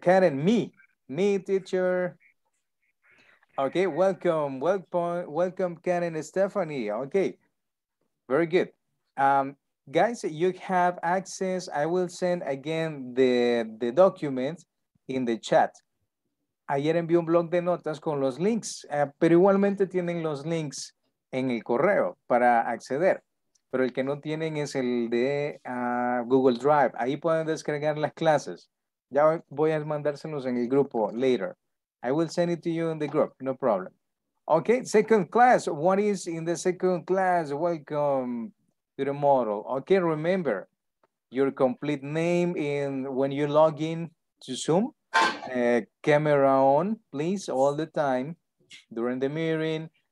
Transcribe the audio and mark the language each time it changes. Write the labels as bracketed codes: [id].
[en] Karen, me, teacher. Okay, welcome, Karen and Stephanie. Okay, very good. Guys, you have access. I will send again the document in the chat. [es] Ayer envié un blog de notas con los links, pero igualmente tienen los links en el correo para acceder. Pero el que no tienen es el de Google Drive. Ahí pueden descargar las clases. Ya voy a mandárselos en el grupo later. [en] I will send it to you in the group, no problem. Okay, second class. What is in the second class? Welcome to the model. Okay, remember your complete name in when you log in to Zoom. Camera on, please, all the time during the meeting.